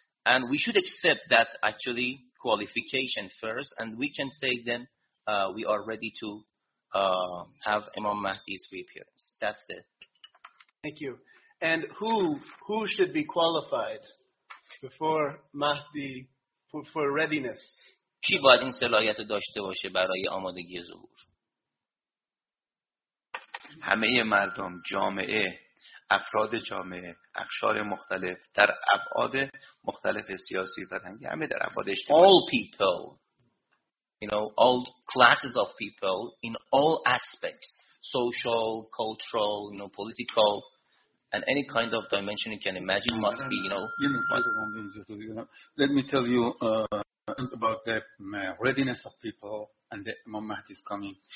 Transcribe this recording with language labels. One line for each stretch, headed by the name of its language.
English: And we should accept that actually qualification first, and we can say then we are ready to have Imam Mahdi's reappearance. That's it. Thank you. And who should be qualified before Mahdi for readiness?
Persian: کی باید این صلاحیت داشته باشه برای آمادگی ظهور؟ همه مردم، جامعه، افراد جامعه، اقشار مختلف در ابعاد مختلف سیاسی و فرهنگی، همه در ابعاد اجتماعی.
English: All people, you know, all classes of people in all aspects, social, cultural, you know, political, and any kind of dimension you can imagine must be, Let me tell you about the readiness of people and the Imam Mahdi is coming.